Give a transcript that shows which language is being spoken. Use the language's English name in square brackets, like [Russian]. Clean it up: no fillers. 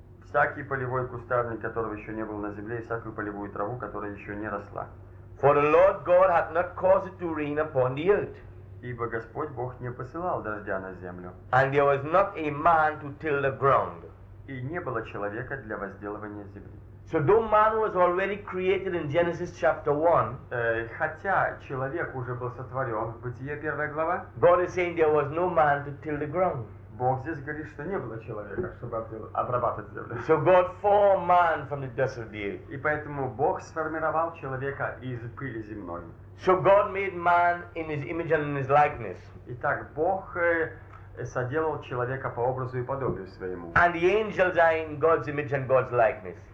[Russian] Всякий полевой кустарник, которого еще не было на земле, и всякую полевую траву, которая еще не росла. [English] For the Lord God hath not caused it to rain upon the earth. [Russian] Ибо Господь Бог не посылал дождя на землю. [English] And there was not a man to till the ground. [Russian] И не было человека для возделывания земли. [English] So though man was already created in Genesis chapter 1, [Russian] хотя человек уже был сотворен, Бытие 1 глава, [English] God is saying there was no man to till the ground. [Russian] Бог здесь говорит, что не было человека, чтобы обрабатывать землю. [English] So God formed man from the dust of the earth. [Russian] И поэтому Бог сформировал человека из пыли земной. [English] So God made man in his image and in his likeness. [Russian] Итак, Бог соделал человека по образу и подобию своему. [English] And the angels are in God's image and God's likeness.